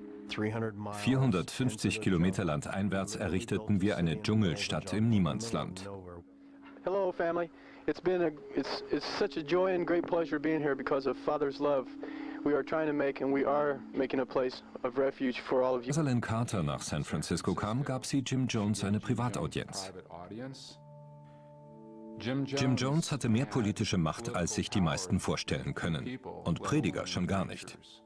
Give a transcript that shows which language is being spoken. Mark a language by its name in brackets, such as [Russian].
[German] »450 Kilometer landeinwärts errichteten wir eine Dschungelstadt im Niemandsland.« [English] »Hello, family. It's such a joy and great pleasure being here because of Father's love. We are trying to make and we are making a place of refuge for all of you.« [German] Als Ellen Carter nach San Francisco kam, gab sie Jim Jones eine Privataudienz. Jim Jones hatte mehr politische Macht, als sich die meisten vorstellen können. Und Prediger schon gar nicht.